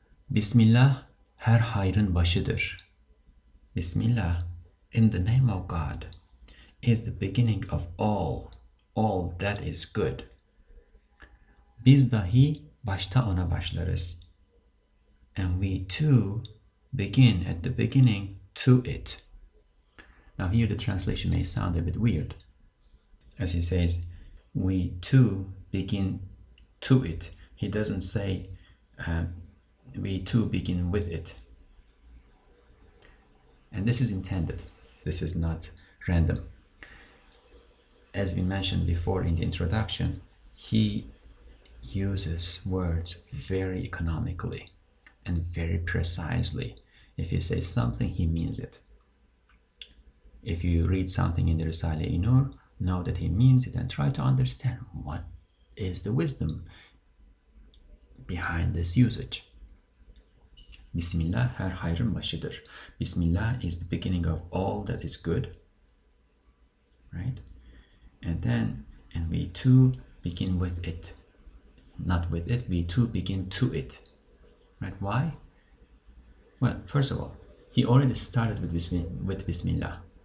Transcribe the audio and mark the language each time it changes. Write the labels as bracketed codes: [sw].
[tr] Bismillah her hayrın başıdır. [en] Bismillah, in the name of God, is the beginning of all that is good. [tr] Biz dahi başta ona başlarız. [en] And we too begin at the beginning to it. Now here the translation may sound a bit weird. As he says, we too begin to it. He doesn't say we too begin with it. And this is intended. This is not random. As we mentioned before in the introduction, he uses words very economically and very precisely. If he says something, he means it. If you read something in the Risale-i Nur, know that he means it and try to understand what is the wisdom behind this usage. [tr] Bismillah her hayrın başıdır. [en] Bismillah is the beginning of all that is good, right? And then, and we too begin with it. Not with it, we too begin to it, right? Why? Well, first of all, he already started with Bismillah.